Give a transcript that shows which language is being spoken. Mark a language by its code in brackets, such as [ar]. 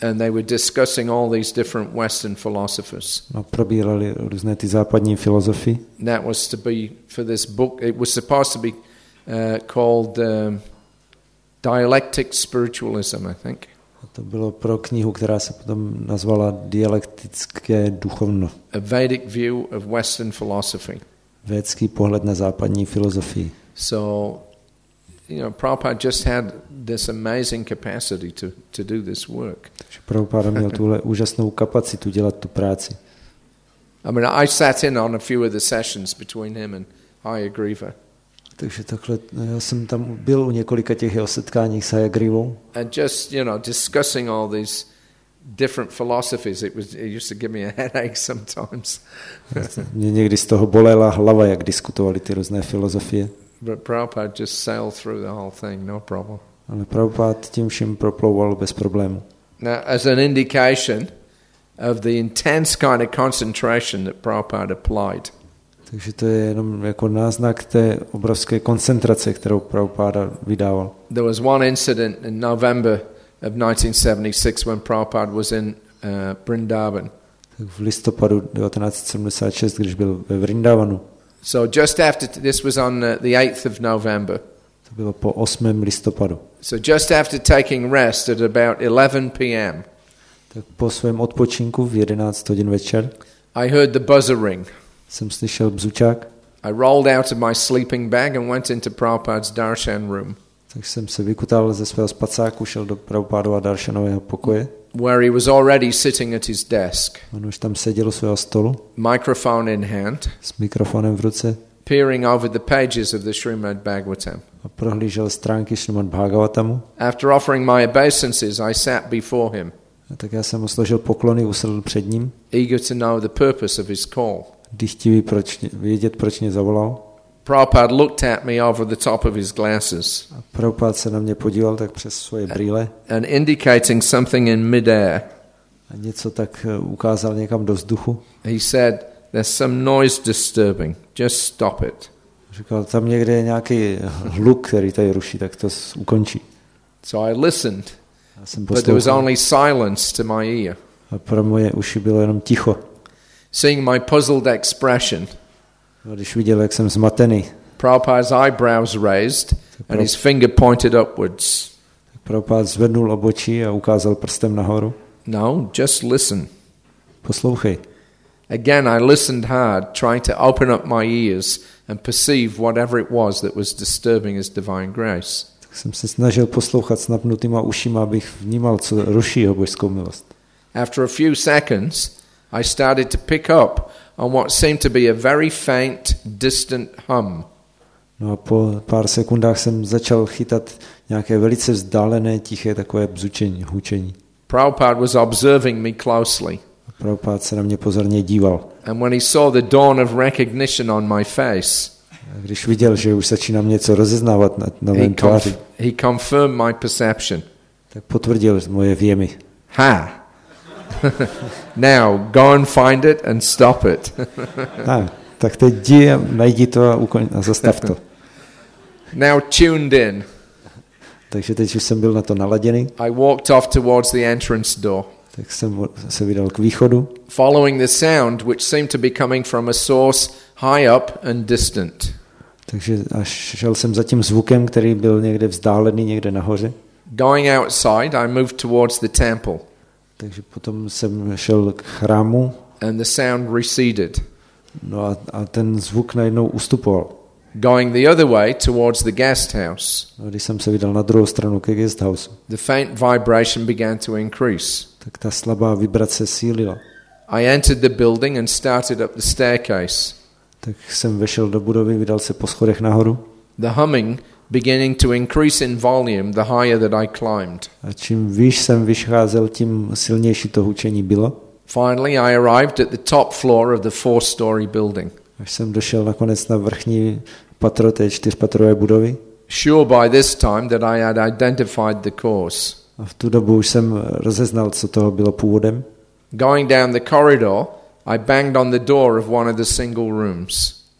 [en] And they were discussing all these different Western philosophers. [cs] No, probírali různé ty západní filozofy. [en] That was to be for this book. It was supposed to be called Dialectic Spiritualism, I think. [cs] A to bylo pro knihu, která se potom nazvala Dialektické duchovno. [en] A Vedic view of Western philosophy. [cs] Védský pohled na západní filozofii. [en] So you know, Prabhupada just had this amazing capacity to do this work. [cs] Takže Prabhupada měl tuhle úžasnou kapacitu dělat tu práci. [en] I mean, I sat in on a few of the sessions between him and Hayagriva. [cs] Takže takhle, no, já jsem tam byl u několika těch jeho setkání s Hayagrivou. [en] And just, you know, discussing all these different philosophies, it used to give me a headache sometimes. [cs] Mě někdy z toho bolela hlava, jak diskutovali ty různé filozofie. [en] But Prabhupada just sailed through the whole thing, no problem. [cs] Ale Prabhupada tím všim proplouval bez problému. [en] Now, as an indication of the intense kind of concentration that Prabhupada applied. [cs] Takže to je jenom jako náznak té obrovské koncentrace, kterou Prabhupada vydával. [en] There was one incident in November of 1976 when Prabhupada was in Vrindavan. [cs] Tak v listopadu 1976, když byl ve Vrindavanu. [en] So just after this was on the 8th of November. [cs] To bylo po 8. listopadu. [en] So just after taking rest at about 11 p.m. [cs] Tak po svém odpočinku v 11 hodin večer. [en] I heard the buzzer ring. [cs] Jsem slyšel bzučák. [en] I rolled out of my sleeping bag and went into Prabhupada's darshan room. [cs] Tak jsem se vykutal ze svého spacáku, šel do Prabhupádova darshanového pokoje. [en] Where he was already sitting at his desk. [cs] On už tam seděl u svého stolu. [en] Microphone in hand. [cs] S mikrofonem v ruce. [en] Peering over the pages of the Srimad Bhagavatam. [cs] A prohlížel stránky Srimad Bhagavatamu. [en] After offering my obeisances, I sat before him. [cs] A tak já jsem mu složil poklony, usedl před ním. [en] Eager to know the purpose of his call. [cs] Dychtivý vědět, proč mě zavolal. [en] Prabhupada looked at me over the top of his glasses. [cs] A Prabhupada se na mě podíval tak přes svoje brýle. [en] And indicating something in midair. [cs] A něco tak ukázal někam do vzduchu. [en] He said, "There's some noise disturbing. Just stop it." [cs] Říkal, tam někde je nějaký hluk, který tady ruší, tak to ukončí. [en] So I listened. [cs] Já jsem [en] poslouchal. But there was only silence to my ear. [cs] A pro moje uši bylo jenom ticho. [en] Seeing my puzzled expression. [cs] A když viděl, jak jsem zmatený. [en] Prabhupada's eyebrows raised and his finger pointed upwards. [cs] Prabhupada zvednul obočí a ukázal prstem nahoru. [en] No, just listen. [cs] Poslouchej. [en] Again, I listened hard, trying to open up my ears and perceive whatever it was that was disturbing his divine grace. [cs] Tak jsem se snažil poslouchat s napnutýma ušima, abych vnímal, co ruší jeho božskou milost. [en] After a few seconds, I started to pick up on what seemed to be a very faint, distant hum. [cs] No a po pár sekundách jsem začal chytat nějaké velice vzdálené, tiché takové bzučení, hučení. [en] Prabhupada was observing me closely. [cs] A Prabhupada se na mě pozorně díval. [en] And when he saw the dawn of recognition on my face, [cs] a když viděl, že už začínám něco rozeznávat na mém tváři, [en] he confirmed my perception. [cs] Tak potvrdil moje vjemy. Ha! [en] Now go and find it and stop it. [cs] Tak teď jdi a najdi to a zastav to. [en] Now tuned in. [cs] Takže teď už jsem byl na to naladěný. [en] I walked off towards the entrance door. [cs] Tak jsem se vydal k východu. [en] Following the sound which seemed to be coming from a source high up and distant. [cs] Takže šel jsem za tím zvukem, který byl někde vzdálený, někde nahoře. [en] Going outside, I moved towards the temple. [cs] Takže potom jsem šel k chrámu. [en] And the sound receded. [cs] No a ten zvuk najednou ustupoval. [en] Going the other way towards the guest house. [cs] No, když jsem se vydal na druhou stranu ke guest house. [en] The faint vibration began to increase. [cs] Tak ta slabá vibrace sílila. [en] I entered the building and started up the staircase. [cs] Tak jsem vešel do budovy, vydal se po schodech nahoru. [en] The humming beginning to increase in volume the higher that I climbed. [cs] A čím výš jsem vycházel, tím silnější to hučení bylo. [en] Finally I arrived at the top floor of the four-story building. [cs] Až jsem došel nakonec na vrchní patro té čtyřpatrové budovy. [en] Sure by this time that I had identified the cause. [cs] A v tu dobu už jsem rozeznal, co toho bylo původem. [en] Going down the corridor, I banged on the door of one of the single rooms.